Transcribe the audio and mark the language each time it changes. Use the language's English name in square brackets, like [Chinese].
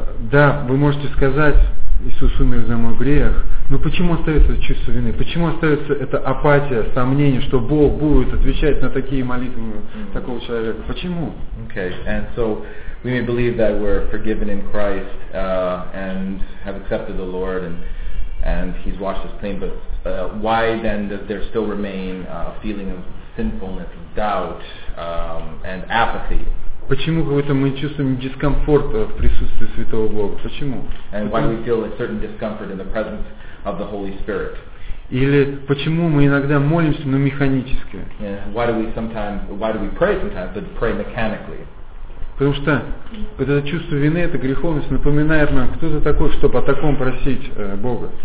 [Russian] Да, вы можете сказать: Иисус умер за мой грех. Но почему остается чувство вины? Почему остается эта апатия, сомнение, что Бог будет отвечать на такие молитвы такого человека? Почему? [English] Okay, and so we may believe that we're forgiven in Christ and have accepted the Lord and He's washed us clean, but why then does there still remain a feeling of sinfulness, doubt and apathy? [Russian] Почему какой-то мы чувствуем дискомфорт в присутствии Святого Бога? Почему? [English] And why we feel a certain discomfort in the presence of the Holy Spirit? [Russian] Или почему мы иногда молимся, но механически? [English] Yeah. Why do we pray sometimes, but pray mechanically? [Russian] Потому что вот это чувство вины, это греховность напоминает нам, кто ты такой, чтобы о таком просить Бога?